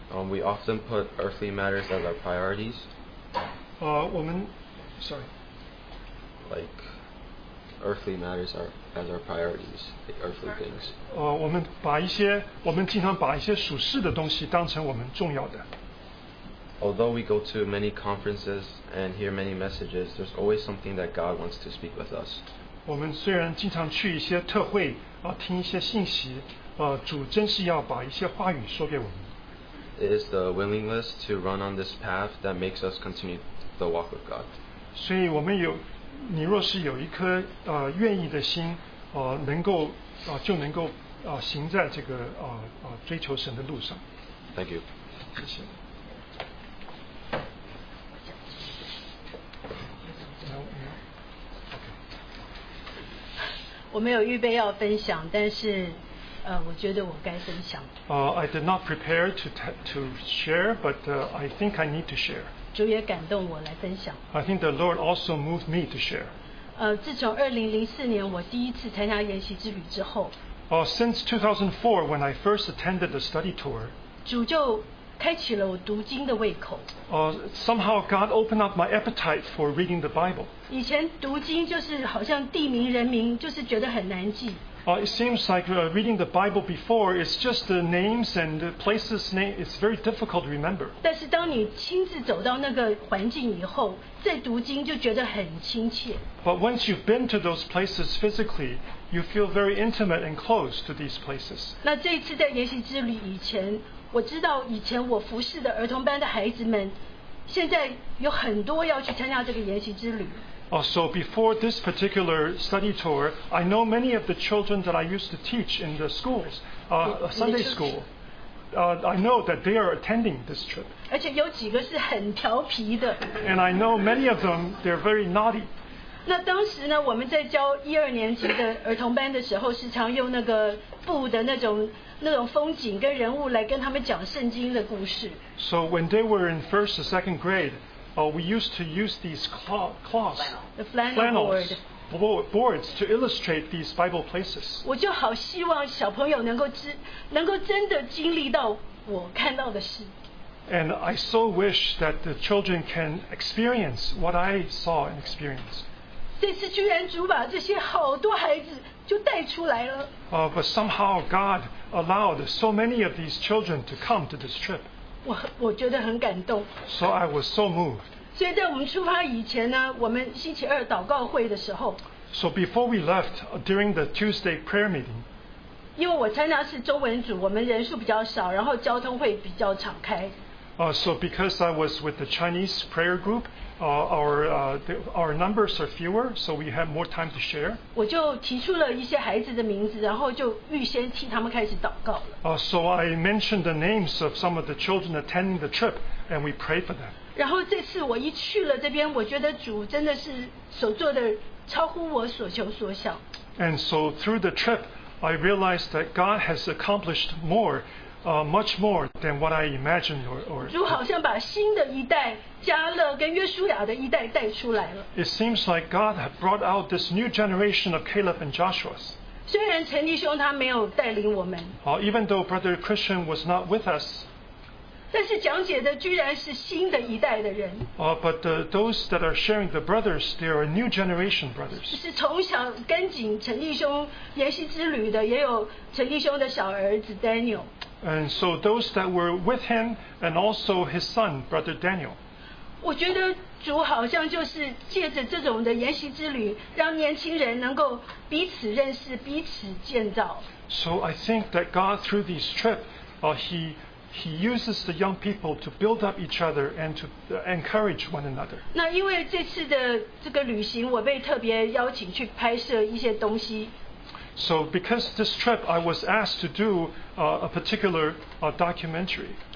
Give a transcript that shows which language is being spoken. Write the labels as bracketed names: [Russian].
[English] We often put earthly matters as our priorities. earthly matters are as our priorities, the earthly things. [Chinese] 我们经常把一些属世的东西当成我们重要的。 [English] Although we go to many conferences and hear many messages, there's always something that God wants to speak with us. [Chinese] 我们虽然经常去一些特会听一些信息。主真是要把一些话语说给我们。 [English] It is the willingness to run on this path that makes us continue the walk with God. [Chinese] 所以我们有，你若是有一颗愿意的心，能够就能够行在这个追求神的路上。 [English] Thank you. [Chinese] 谢谢。我没有预备要分享，但是。我觉得我该分享。 [English] I did not prepare to share, but I think I need to share. [Chinese] 主也感动我来分享。 [English] I think the Lord also moved me to share. [Chinese] 自从2004年我第一次参加研习之旅之后。 [English] Since 2004, when I first attended the study tour. [Chinese] 主就开启了我读经的胃口。 [English] Somehow God opened up my appetite for reading the Bible. [Chinese] 以前读经就是好像地名人名，就是觉得很难记。 [English] It seems like reading the Bible before, it's just the names and the places, it's very difficult to remember. [Chinese] 但是当你亲自走到那个环境以后，再读经就觉得很亲切。 [English] But once you've been to those places physically, you feel very intimate and close to these places. [Chinese] 那这一次在研习之旅以前，我知道以前我服侍的儿童班的孩子们，现在有很多要去参加这个研习之旅。 [English] So before this particular study tour, I know many of the children that I used to teach in the schools, Sunday school. I know that they are attending this trip. And I know many of them, they're very naughty. [Chinese] 那当时呢，我们在教一二年级的儿童班的时候，时常用那个布的那种风景跟人物来跟他们讲圣经的故事。 [English] So when they were in first or second grade,we used to use these cloths, flannel boards to illustrate these Bible places. [Chinese] 我就好希望小朋友能够真的经历到我看到的事。 [English] And I so wish that the children can experience what I saw and experienced. [Chinese] 这次居然主把这些好多孩子就带出来了。 [English] But somehow God allowed so many of these children to come to this trip. [Chinese] 我觉得很感动。 [English] So I was so moved. [Chinese] 所以在我们出发以前呢，我们星期二祷告会的时候。 [English] So before we left, during the Tuesday prayer meeting. [Chinese] 因为我参加是中文组，我们人数比较少，然后交通会比较敞开。 [English] So because I was with the Chinese prayer group, our numbers are fewer, so we have more time to share. [Chinese] 我就提出了一些孩子的名字，然后就预先替他们开始祷告了。 [English] So I mentioned the names of some of the children attending the trip, and we prayed for them. [Chinese] 然后这次我一去了这边，我觉得主真的是所做的超乎我所求所想。 [English] And so through the trip, I realized that God has accomplished more. Much more than what I imagined or [Chinese] 主好像把新的一代加勒跟约书亚的一代带出来了。 [English] It seems like God had brought out this new generation of Caleb and Joshua. [Chinese] 虽然陈弟兄他没有带领我们。 [English] Even though Brother Christian was not with us. [Chinese] 但是讲解的居然是新的一代的人。 [English] But those that are sharing the brothers, they are new generation brothers. [Chinese] 是从小跟紧陈弟兄研习之旅的，也有陈弟兄的小儿子 Daniel. [English] And so those that were with him and also his son, Brother Daniel. [Chinese] 我觉得主好像就是借着这种的研习之旅，让年轻人能够彼此认识，彼此建造。 [English] So I think that God through this trip, he uses the young people to build up each other and to encourage one another. [Chinese] 那因为这次的这个旅行，我被特别邀请去拍摄一些东西。 [English] So because this trip, I was asked to do a particular documentary.